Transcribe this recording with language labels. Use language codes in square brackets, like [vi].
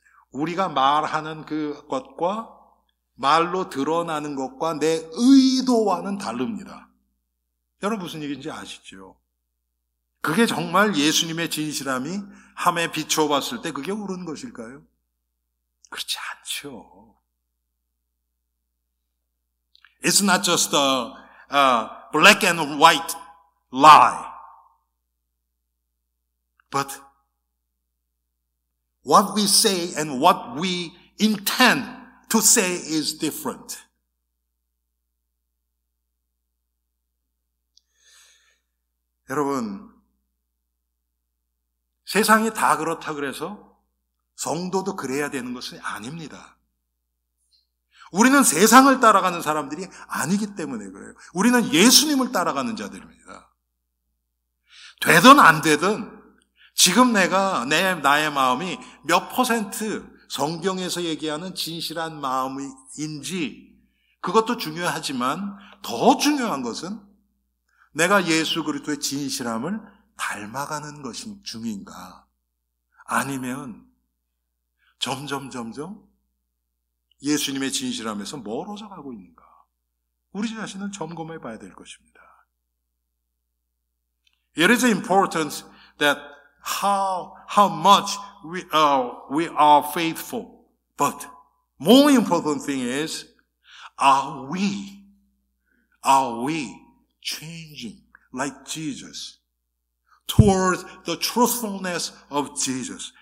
[ko] 우리가 말하는 그것과 말로 드러나는 것과 내 의도와는 다릅니다. 여러분 무슨 얘기인지 아시죠? 그게 정말 예수님의 진실함이 함에 비추어 봤을 때 그게 옳은 것일까요? 그렇지 않죠. [en] It's not just a black and white lie. But what we say and what we intend to say is different. [ko] 여러분, 세상이 다 그렇다 그래서 성도도 그래야 되는 것은 아닙니다. 우리는 세상을 따라가는 사람들이 아니기 때문에 그래요. 우리는 예수님을 따라가는 자들입니다. 되든 안 되든 지금 내가 나의 마음이 몇 퍼센트 성경에서 얘기하는 진실한 마음인지 그것도 중요하지만 더 중요한 것은 내가 예수 그리스도의 진실함을 닮아가는 것인 중인가 아니면 점점 예수님의 진실함에서 멀어져 가고 있는가 우리 자신은 점검해 봐야 될 것입니다. [en] It is important that how much we are faithful. But more important thing is, are we, Are we changing like Jesus towards the truthfulness of Jesus?